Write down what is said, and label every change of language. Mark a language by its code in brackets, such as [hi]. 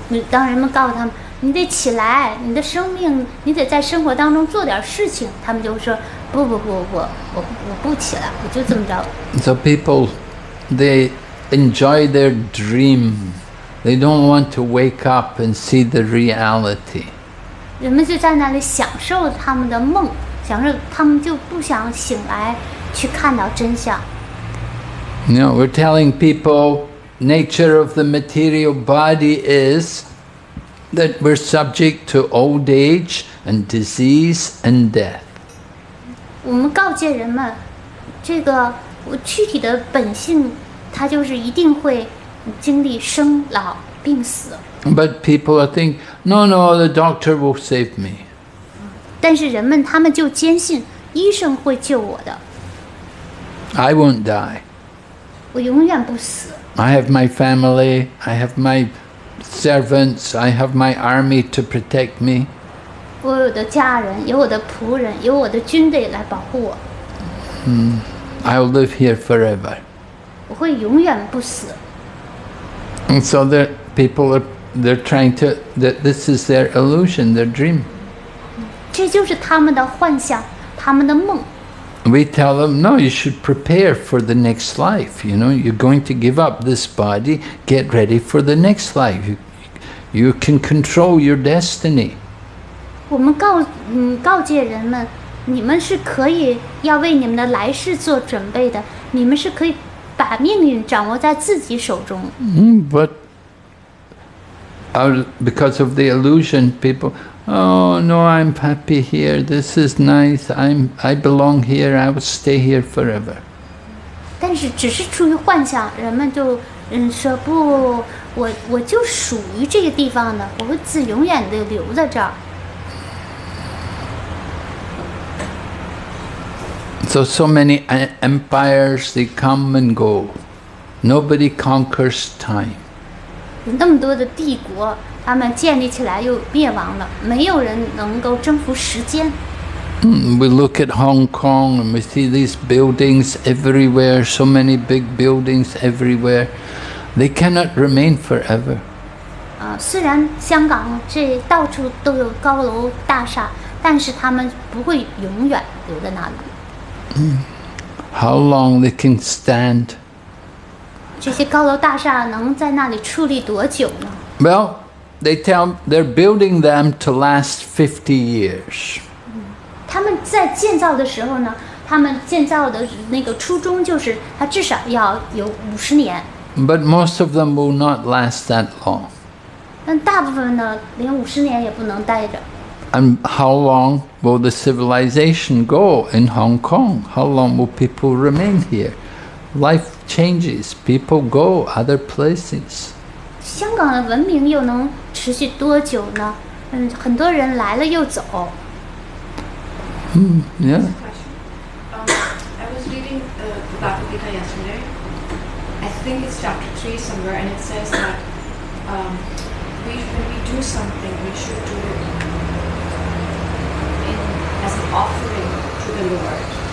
[zh] 当人们告诉他们，你得起来，你的生命，你得在生活当中做点事情，他们就说，不不不不，我不起来，我就这么着。 [en] So people, they enjoy their dream. They don't want to wake up and see the reality. [zh] 人们就在那里享受他们的梦，享受他们就不想醒来去看到真相。 [en] No, we're telling people nature of the material body is that we're subject to old age and disease and death. [zh] 我们告诫人们，这个躯体的本性，它就是一定会经历生老病死。 [en] But people are thinking, no, no, the doctor will save me. [zh] 但是人们他们就坚信医生会救我的。 [en] I won't die. [zh] 我永远不死。 [en] I have my family, I have my servants, I have my army to protect me. [zh] 我有的家人，有我的仆人，有我的军队来保护我。 [en] I'll live here forever. [zh] 我会永远不死。 [en] And so the people are, they're trying to, that this is their illusion, their dream. [zh] 这就是他们的幻想，他们的梦。 [en] We tell them, no, you should prepare for the next life. You know, you're going to give up this body, get ready for the next life. You can control your destiny. [zh] 我们告诫人们，你们是可以要为你们的来世做准备的，你们是可以把命运掌握在自己手中。 [en] But because of the illusion, people, oh no, I'm happy here, this is nice, I belong here, I will stay here forever. [zh] 但是只是出于幻想，人们就说不，我就属于这个地方的，我会自永远的留在这儿。 [en] So many empires, they come and go. Nobody conquers time. [zh] 有那么多的帝国，他们建立起来又灭亡了，没有人能够征服时间。 [en] We look at Hong Kong and we see these buildings everywhere, so many big buildings everywhere. They cannot remain forever. [zh] 虽然香港这到处都有高楼大厦，但是他们不会永远留在那里。 [en] How long they can stand? [zh] 这些高楼大厦能在那里矗立多久呢？ [en] Well, they're building them to last 50 years. [zh] 他们在建造的时候呢，他们建造的那个初衷就是它至少要有50年。 [en] But most of them will not last that long. [zh] 但大部分呢，连50年也不能待着。 [en] And how long will the civilization go in Hong Kong? How long will people remain here? Life changes. People go other places. [zh] 香港的文明又能持续多久呢？很多人来了又走。 [en] Yeah. I was reading the Bhakti yesterday, and I think it's chapter 3 somewhere, and it says that when we do something, we should do it. As an offering to the Lord.